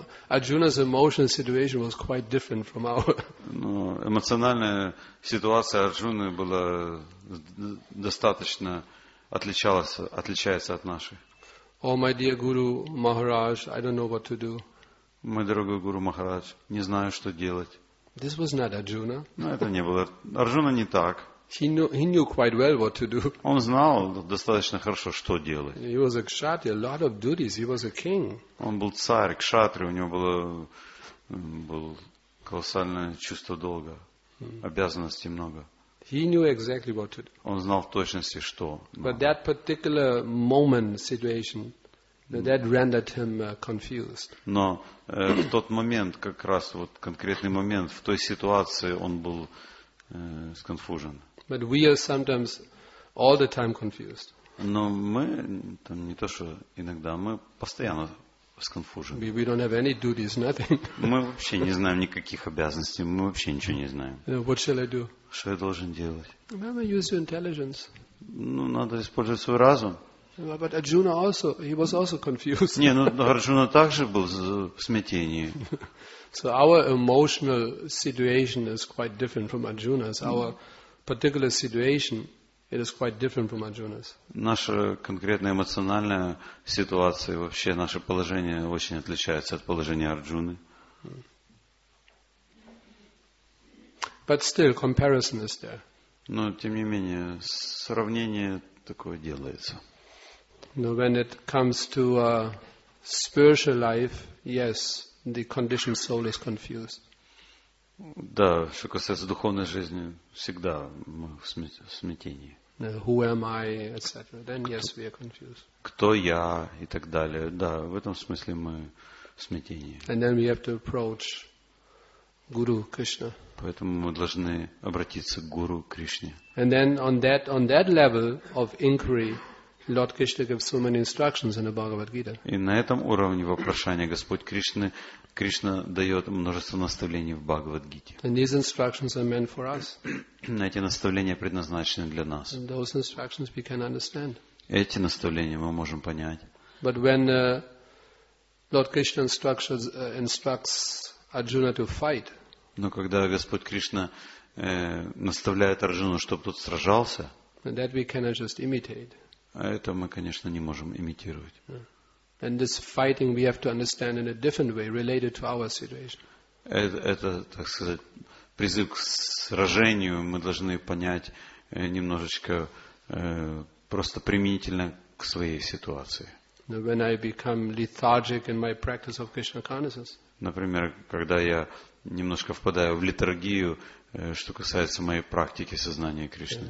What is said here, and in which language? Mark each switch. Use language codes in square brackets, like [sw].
[en] Arjuna's emotional situation was quite different from our. [ru] Но эмоциональная ситуация Арджуны была достаточно отличается от нашей. [en] Oh my dear Guru Maharaj, I don't know what to do. [ru] Мой дорогой Гуру Махарадж, не знаю, что делать. [en] This was not Arjuna. [ru] Но это не было. Арджуна не так. [en] He knew quite well what to do. [ru] Он знал достаточно хорошо, что делать. [en] He was a kshatriya, a lot of duties. He was a king. [ru] Он был царь, кшатри, у него было колоссальное чувство долга, обязанностей много. [en] He knew exactly what to do. [ru] Он знал в точности, что. [en] But that particular moment, situation, that rendered him confused. [ru] Но в тот момент, как раз вот конкретный момент, в той ситуации он был сконфужен. [en] But we are sometimes all the time confused. [ru] Но мы там не то что иногда, мы постоянно сконфужены. [en] We don't have any duties, nothing. [ru] Мы вообще не знаем никаких обязанностей, мы вообще ничего не знаем. [en] What shall I do? [ru] Что я должен делать? [en] Well, I use your intelligence. [ru] Ну, надо использовать свой разум. [en] But Arjuna also, he was also confused. [ru] Не, ну Арджуна также был в смятении. [en] So our emotional situation is quite different from Arjuna's. Our particular situation, it is quite different from Arjuna's. [ru] Наша конкретная эмоциональная ситуация, вообще наше положение очень отличается от положения Арджуны. [en] But still, comparison is there. [ru] Но тем не менее сравнение такое делается. [en] No, when it comes to spiritual life, yes, the conditioned soul is confused. [ru] Да, что касается духовной жизни, всегда мы в смятении. [en] Who am I, etc. Then yes, we are confused. [ru] Кто я и так далее. Да, в этом смысле мы в смятении. [en] And then we have to approach Guru Krishna. [ru] Поэтому мы должны обратиться к Гуру Кришне. [en] And then on that level of inquiry, Lord Krishna gives so many instructions in the Bhagavad Gita. [ru] И на этом уровне вопрошания Господь Кришна дает множество наставлений в Бхагавад Гите. [en] And these instructions are meant for us. [ru] Эти наставления предназначены для нас. [en] And those instructions we can understand. [ru] Эти наставления мы можем понять. [en] But when Lord Krishna instructs Arjuna to fight. [ru] Но когда Господь Кришна наставляет Арджуну, чтобы тот сражался, [en] that we cannot just imitate. [ru] А это мы, конечно, не можем имитировать. [en] Yeah. And this fighting we have to understand in a different way, related to our situation. [ru] Это, так сказать, призыв к сражению мы должны понять немножечко просто применительно к своей ситуации. [en] When I become lethargic in my practice of Krishna consciousness. [ru] Например, когда я немножко впадаю в литургию, что касается моей практики сознания Кришны.